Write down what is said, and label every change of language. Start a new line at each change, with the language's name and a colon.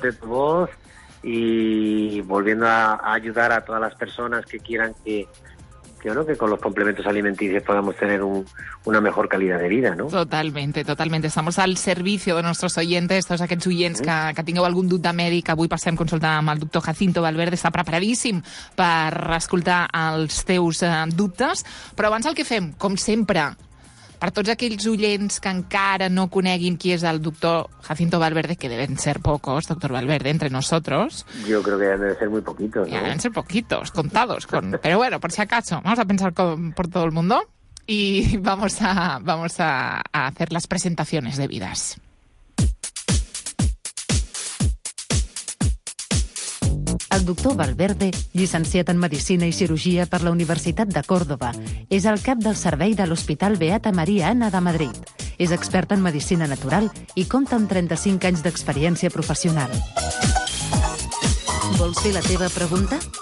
Spanish: De tu voz y volviendo a ayudar a todas las personas que quieran que con los complementos alimenticios podamos tener una mejor calidad de vida, ¿no? Totalmente. Estamos al servicio de nuestros oyentes, todos aquellos oyentes que tengan algún
Catalan: dubte mèdic. Avui passem consulta amb el doctor Jacinto Valverde. Està preparadíssim per escoltar els teus dubtes. Però abans el que fem, com sempre, per tots aquells oients que encara no coneguin qui és el doctor Jacinto Valverde,
Spanish: que deben ser pocos,
Catalan: doctor Valverde,
Spanish: entre nosotros. Yo creo que deben ser muy poquitos, ¿no? Deben ser poquitos, contados. Pero bueno, por si acaso, vamos a pensar por todo el mundo y vamos a hacer las presentaciones debidas.
Catalan: El doctor Valverde, llicenciat en Medicina i Cirurgia per la Universitat de Còrdoba, és el cap del servei de l'Hospital Beata Maria Ana de Madrid. És expert en Medicina Natural i compta amb 35 anys d'experiència professional. Vols fer la teva pregunta?